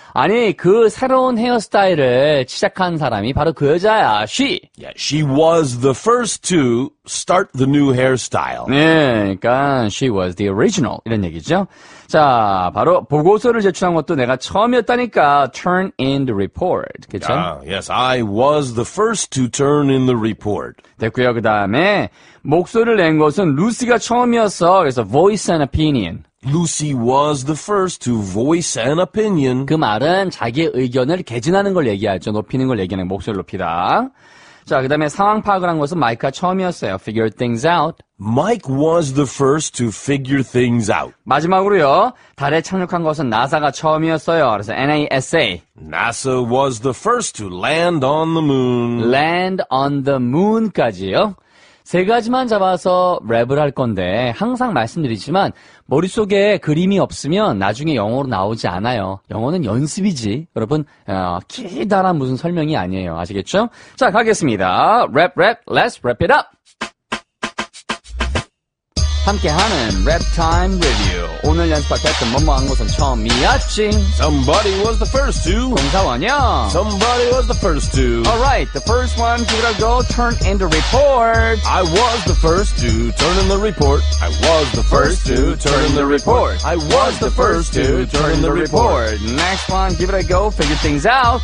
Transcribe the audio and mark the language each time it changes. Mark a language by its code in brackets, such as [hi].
[ko] 아니, 그 새로운 헤어스타일을 시작한 사람이 바로 그 여자야. She. [en] Yeah, she was the first to start the new hairstyle. [ko] 네, 그러니까 [en] she was the original [ko] 이런 얘기죠. 자, 바로 보고서를 제출한 것도 내가 처음이었다니까. [en] Turn in the report. [ko] 그렇죠? [en] Yes, I was the first to turn in the report. [ko] 됐고요. 그 다음에 목소리를 낸 것은 루시가 처음이었어. 그래서 [en] voice an opinion. Lucy was the first to voice an opinion. [ko] 그 말은 자기의 의견을 개진하는 걸 얘기하죠. 높이는 걸 얘기하는 목소리를 높이다. 자, 그 다음에 상황 파악을 한 것은 마이크가 처음이었어요. [en] Figure things out. Mike was the first to figure things out. [ko] 마지막으로요. 달에 착륙한 것은 나사가 처음이었어요. 그래서 NASA. [en] NASA was the first to land on the moon. Land on the moon [ko] 까지요. 세 가지만 잡아서 랩을 할 건데 항상 말씀드리지만 머릿속에 그림이 없으면 나중에 영어로 나오지 않아요. 영어는 연습이지. 여러분, 기다란 무슨 설명이 아니에요. 아시겠죠? 자, 가겠습니다. 랩, 랩, [en] let's wrap it up! [ko] 함께하는 랩 타임 리뷰. 오늘 연습할 패턴 뭐뭐 한 것은 처음이었지. [en] Somebody was the first to. [ko] 공사원이요. [en] Somebody was the first to. Alright, the first one, give it a go, turn in the report. I was the first to turn in the report. I was the first to turn in the report. I was the first to turn in the report. Next one, give it a go, figure things out.